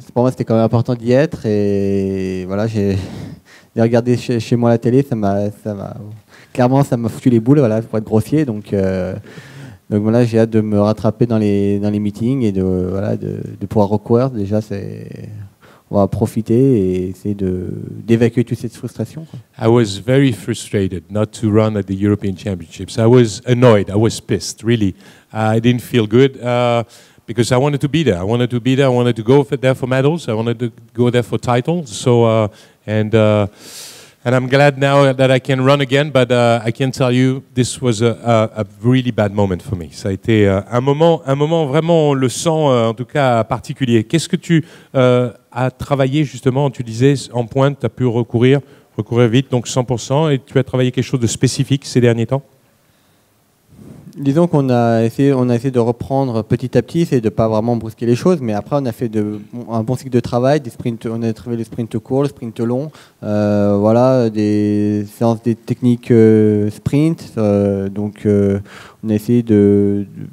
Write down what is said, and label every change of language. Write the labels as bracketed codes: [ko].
[fr] Pour moi, c'était quand même important d'y être. Et voilà, j'ai regardé chez moi la télé, ça m'a clairement foutu les boules, voilà, pour être grossier. Donc voilà, j'ai hâte de me rattraper dans les meetings et de pouvoir recourir. Déjà, on va profiter et essayer d'évacuer toute cette frustration, quoi. [en] I was very frustrated not to run at the European Championships. I was annoyed. I was pissed. Really, I didn't feel good because I wanted to be there. I wanted to be there. I wanted to go there for medals. I wanted to go there for titles. So And I'm glad now that I can run again, but I can tell you this was a really bad moment for me. [fr] Ça a été un moment vraiment, on le sent en tout cas particulier. Qu'est-ce que tu as travaillé justement? Tu disais en pointe, tu as pu recourir vite, donc 100%, et tu as travaillé quelque chose de spécifique ces derniers temps? Disons qu'on a essayé, de reprendre petit à petit, c'est de pas vraiment brusquer les choses, mais après on a fait un bon cycle de travail, des sprints, on a trouvé le sprint court, le sprint long, voilà, des séances, des techniques sprint, donc on a essayé de